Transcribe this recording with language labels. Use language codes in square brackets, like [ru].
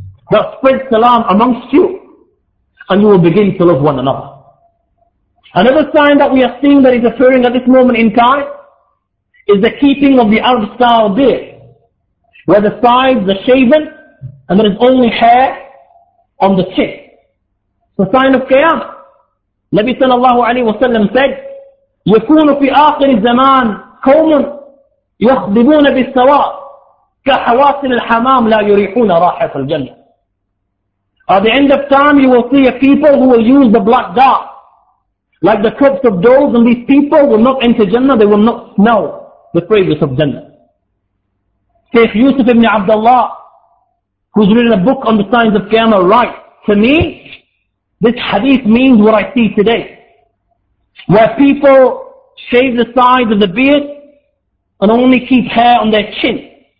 [en] That spread salam amongst you, and you will begin to love one another. Another sign that we are seeing that is appearing at this moment in time is the keeping of the Arab style beard, where the sides are shaven and there is only hair on the chin. The sign of Qiyamah. Nabi sallallahu alayhi wa sallam said, [ar] يَكُونُ فِي آخِرِ الزَّمَانِ قَوْمٌ يَخْضِبُونَ بِالسَّوَاءِ كَحَوَاسِلِ الْحَمَامِ لَا يُرِيحُونَ رَاحَةَ الْجَنَّةِ. [en] At the end of time, you will see a people who will use the black dark, like the cubs of doves, and these people will not enter Jannah, they will not smell the fragrance of Jannah. Sheikh Yusuf ibn Abdullah, who's written a book on the signs of Qiyamah, writes, to me, this hadith means what I see today, where people shave the sides of the beard and only keep hair on their chin.